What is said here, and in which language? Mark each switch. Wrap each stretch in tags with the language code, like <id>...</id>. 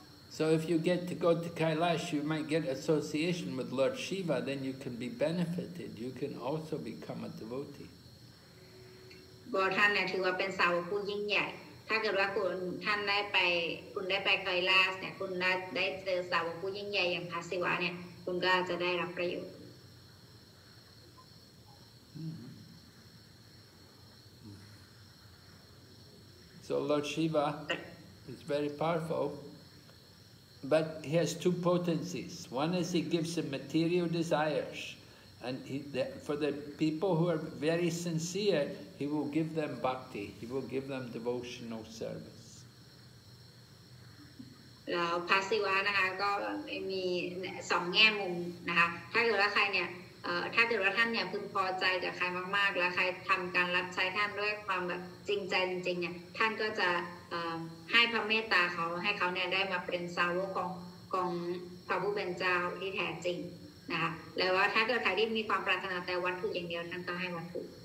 <en>So if you get to go to Kailash, you might get association with Lord Shiva. Then you can be benefited. You can also become a devotee.</en> <th>ก็ท่านเนี่ยถือว่าเป็นสาวกผู้ยิ่งใหญ่ถ้าเกิดว่าคุณท่านได้ไปคุณได้ไปไกลาสเนี่ยคุณได้ได้เจอสาวกผู้ยิ่งใหญ่อย่างพระศิวะเนี่ยคุณก็จะได้รับประโยชน์</th> <en>So Lord Shiva is very powerful but he has two potencies one is he gives him material desires and for the people who are very sincereHe will give them bhakti. He will give them devotional service.</en> <th>Now, พระศิวะนะคะก็มีสองแง่มุมนะคะถ้าเกิดว่าใครเนี่ยถ้าเกิดว่าท่านเนี่ยพึงพอใจกับใครมากๆและใครทำการรับใช้ท่านด้วยความแบบจริงใจจริงๆเนี่ยท่านก็จะให้พระเมตตาเขาให้เขาเนี่ยได้มาเป็นสาวกของพระผู้เป็นเจ้าที่แท้จริงนะคะแล้วว่าถ้าเกิดใครที่มีความปรารถนาแต่วัตถุอย่างเดียวนั่นก็ให้วัตถุ</th>